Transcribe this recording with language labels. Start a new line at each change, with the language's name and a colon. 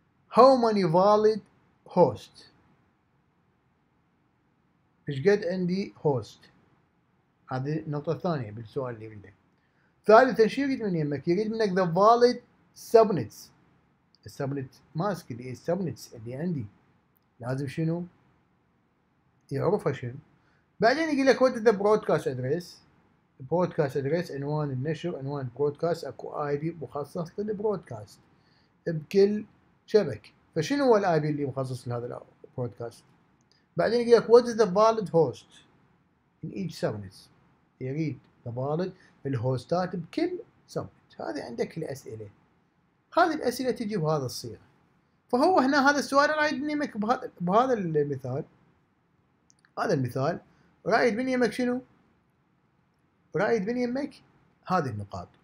English: How many valid host؟
Arabic: ايش قد عندي host؟ هذه النقطة الثانية بالسؤال اللي يقول لك. ثالثا شو يريد من يمك؟ يريد منك
English: the valid subnets.
Arabic: السبنت ماسك اللي السبنتس اللي عندي لازم شنو يعرفها شنو. بعدين يقول لك
English: what is the broadcast address.
Arabic: broadcast address عنوان النشر، عنوان broadcast، اكو اي بي مخصص للبرودكاست بكل شبك، فشنو هو الاي بي اللي مخصص لهذا البرودكاست. بعدين يقول لك
English: what is the valid host in each subnets.
Arabic: يريد
English: the valid
Arabic: الهوستات بكل سبنت. هذه عندك الاسئله، هذه الأسئلة تجي بهذا الصيغة. فهو هنا هذا السؤال رايد مني مك بهذا المثال، هذا المثال رايد مني مك شنو؟ رايد مني مك هذه النقاط.